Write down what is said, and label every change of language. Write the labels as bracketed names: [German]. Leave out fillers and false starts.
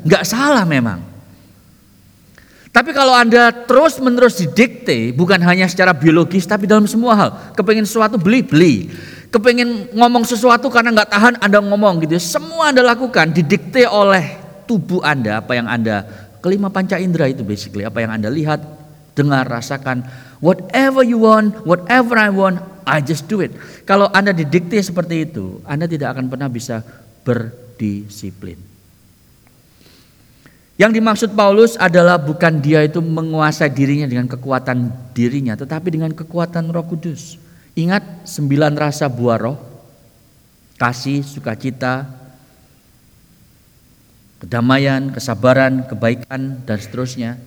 [Indonesian] Enggak salah memang. Tapi kalau Anda terus-menerus didikte, bukan hanya secara biologis, tapi dalam semua hal. Kepengen sesuatu, beli. Kepengen ngomong sesuatu karena enggak tahan, Anda ngomong. Gitu. Semua Anda lakukan didikte oleh tubuh Anda. Apa yang Anda, kelima panca indera itu basically. Apa yang Anda lihat, dengar, rasakan. [English] Whatever you want, whatever I want, I just do it. [Indonesian] Kalau Anda didikte seperti itu, Anda tidak akan pernah bisa berdisiplin. Yang dimaksud Paulus adalah bukan dia itu menguasai dirinya dengan kekuatan dirinya, tetapi dengan kekuatan Roh Kudus. Ingat 9 rasa buah roh, kasih, sukacita, kedamaian, kesabaran, kebaikan, dan seterusnya.